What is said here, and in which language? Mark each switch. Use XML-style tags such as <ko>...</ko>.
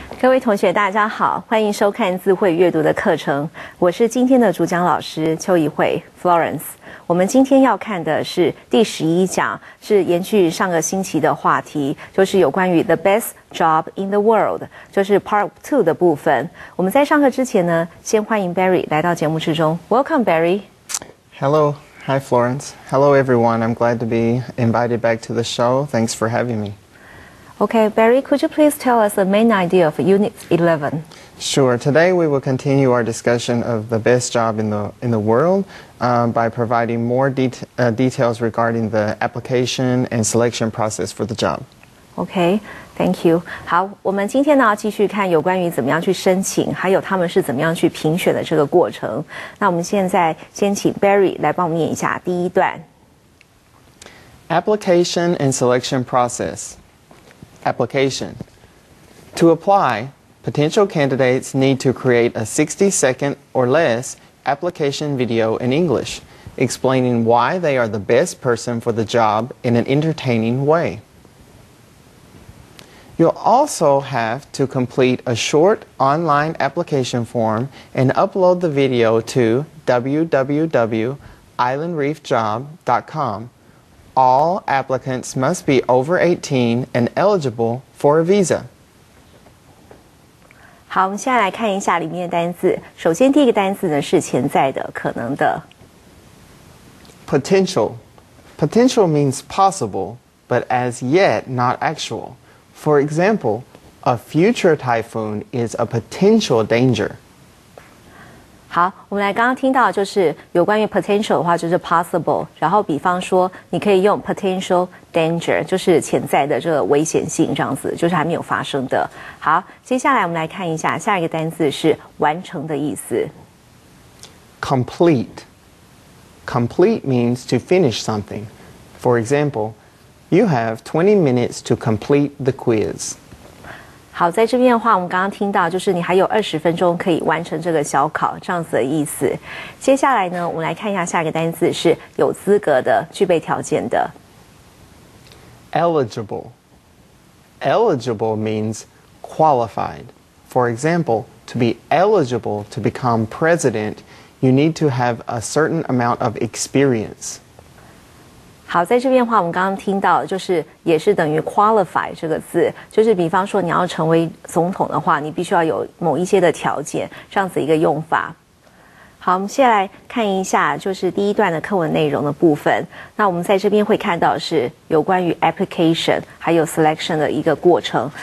<zh>位同学大家好，欢迎收看自慧阅读的课程，我是今天的主讲老师邱怡慧 Florence。我们今天要看的是第十一讲，是延续上个星期的话题，就是有关于</zh> <en>The Best Job in the World，</en> <zh>就是 Part 2的部分。我们在上课之前呢，先欢迎 Barry 来到节目之中。</zh> <en>Welcome Barry。 Hello, hi Florence. Hello everyone, I'm glad to be invited back to the show. Thanks for having me Okay, Barry, could you please tell us the main idea of Unit 11? Sure. Today we will continue our discussion of the best job in the world, by providing more details regarding the application and selection process for the job. Okay, thank you.</en> <zh>好，我们今天呢要继续看有关于怎么样去申请，还有他们是怎么样去评选的这个过程。那我们现在先请 Barry 来帮我们念一下第一段。</zh> <en>Application and selection process. Application. To apply, potential candidates need to create a 60-second or less application video in English, explaining why they are the best person for the job in an entertaining way. You'll also have to complete a short online application form and upload the video to www.islandreefjob.com. All applicants must be over 18 and eligible for a visa.</en> <zh>好，我们现在来看一下里面的单字。首先第一个单字呢是潜在的，可能的。</zh> <en>Potential. Potential means possible, but as yet not actual. For example, a future typhoon is a potential danger.</en> <zh>好，我们来刚刚听到的就是有关于 potential 的话，就是 possible， 然后比方说你可以用</zh> <en>potential danger，</en> <zh>就是潜在的这个危险性，这样子就是还没有发生的。好，接下来我们来看一下下一个单字是完成的意思。</zh> <en>complete. Complete means to finish something. For example, you have 20 minutes to complete the quiz.</en> <zh>好，在这边的话，我们刚刚听到就是你还有二十分钟可以完成这个小考，这样子的意思。接下来呢，我们来看一下下一个单字是有资格的、具备条件的。</zh> <en>Eligible. Eligible means qualified. For example, to be eligible to become president, you need to have a certain amount of experience.</en> <zh>好，在这边的话，我们刚刚听到，就是也是等于 qualify 这个字，就是比方说你要成为总统的话，你必须要有某一些的条件，这样子一个用法。好，我们先来看一下，就是第一段的课文内容的部分。那我们在这边会看到是有关于 application 还有 selection 的一个过程。</zh>